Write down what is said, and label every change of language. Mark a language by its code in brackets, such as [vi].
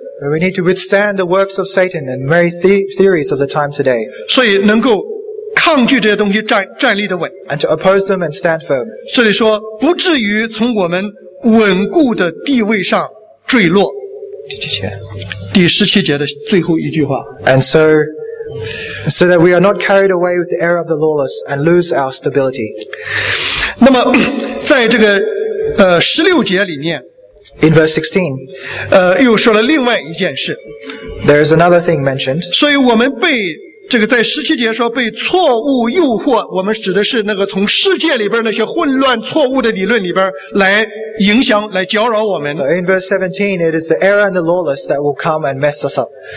[en] So we need to withstand the works of Satan and many theories of the time today. [zh] 所以能够抗拒这些东西站立的稳。 [en] And to oppose them and stand firm. [zh] 这里说不至于从我们稳固的地位上坠落。第几节？第十七节的最后一句话。 [en] And so that we are not carried away with the error of the lawless and lose our stability. [zh] 那么在这个十六节里面 [en] In verse 16, [zh] 又说了另外一件事。 [en] There is another thing mentioned. [zh] 所以我们被这个在十七节说被错误诱惑，我们指的是那个从世界里边那些混乱错误的理论里边来影响来搅扰我们。 [en] So in verse 17, it is the error and the lawless that will come and mess us up.